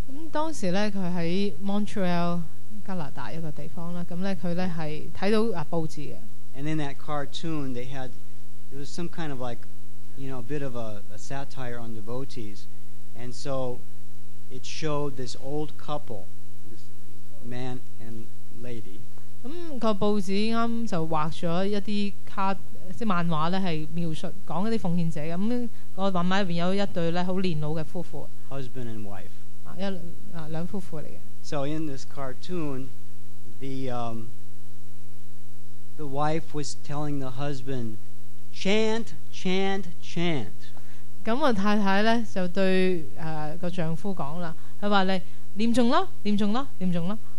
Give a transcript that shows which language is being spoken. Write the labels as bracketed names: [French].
[Cantonese] 當時咧，佢喺 Montreal, 加拿大一個地方啦。咁咧，佢咧係睇到報紙嘅。 [English] And in that cartoon, it was some kind of like, you know, a bit of a satire on devotees. And so it showed this old couple, this man and lady. [Cantonese] 咁個報紙啱就畫咗一啲卡即漫畫咧係描述講嗰啲奉獻者嘅。咁、個漫畫入邊有一對咧好年老嘅夫婦 [English] ，husband and wife， [Cantonese] 兩夫婦嚟嘅。 [English] So in this cartoon, the wife was telling the husband, "Chant, chant, chant." [Cantonese] 咁太太咧就對個丈夫講啦，佢話你念誦啦，念誦啦，念誦啦。